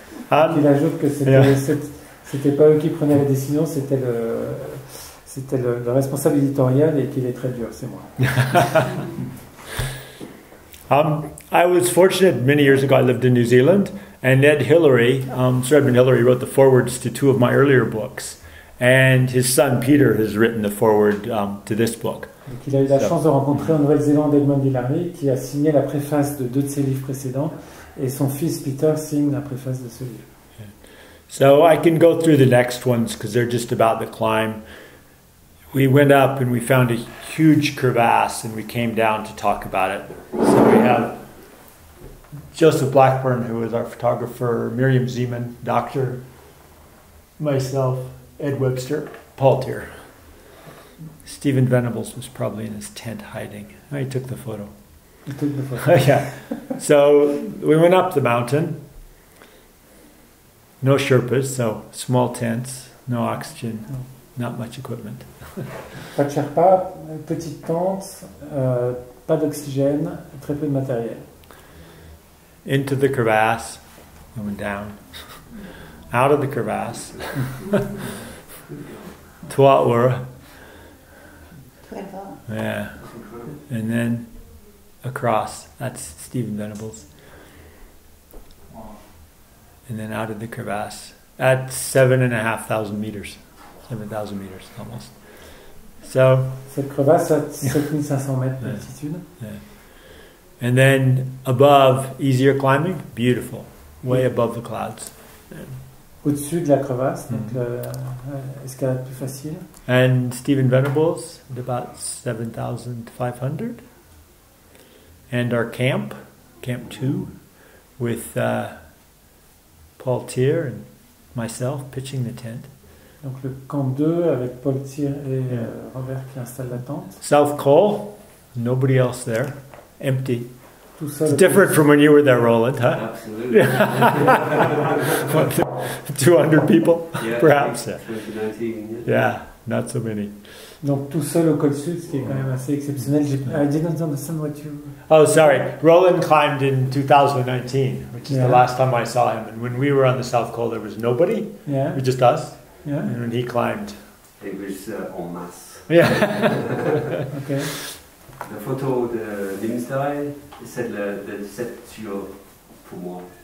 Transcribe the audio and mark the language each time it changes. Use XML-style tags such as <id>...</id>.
<fr>Il ajoute que c'était pas eux qui prenaient la décision, c'était le responsable éditorial et qu'il est très dur, c'est moi.</fr> <en>I was fortunate, many years ago I lived in New Zealand, and Ned Hillery, Sir Edmund Hillery, wrote the forewords to two of my earlier books, and his son Peter has written the foreword to this book.</en> <fr>Donc, il a eu la chance de rencontrer en Nouvelle-Zélande Edmund Hillary, qui a signé la préface de deux de ses livres précédents, et son fils Peter signe la préface de ce livre.</fr> <en>So I can go through the next ones, because they're just about the climb. We went up and we found a huge crevasse, and we came down to talk about it. So we have Joseph Blackburn, who is our photographer, Miriam Zeman, doctor, myself, Ed Webster, Paul Tier. Stephen Venables was probably in his tent hiding. He took the photo. Yeah. So we went up the mountain. No Sherpas, so small tents, no oxygen, not much equipment.</en> <fr>Pas de Sherpa, petite tente, pas d'oxygène, très peu de matériel.</fr> <en>Into the crevasse, we went down. Out of the crevasse. Twelve. Yeah. And then across, that's Stephen Venables. And then out of the crevasse at 7,500 meters. 7,000 meters almost. So,</en> <fr>cette crevasse a 7500 mètres d'altitude.</fr> <en>And then above, easier climbing, beautiful, way above the clouds.</en> <fr>Au-dessus de la crevasse, donc escalade plus facile.</fr> <en>And Stephen Venables at about 7,500. And our camp 2, with Paul Tier and myself pitching the tent.</en> <fr>Donc le camp 2 avec Paul Tier et Robert qui installent la tente.</fr> <en>South Col, nobody else there, empty.</en> <fr>Tout seul.</fr> <en>It's different from when you were there, Roland, huh? Absolutely. 200 people, yeah, perhaps. Yeah. 2019. Yeah, not so many.</en> <fr>Donc tout seul au col sud, ce qui est quand même assez exceptionnel.</fr> <en>I didn't understand what you... Oh, sorry. Roland climbed in 2019, which is the last time I saw him. And when we were on the South Col, there was nobody. Yeah. It was just us. Yeah. And when he climbed... It was en masse. Yeah. Okay. The photo of the Dimstai, it said the set to for more.</en>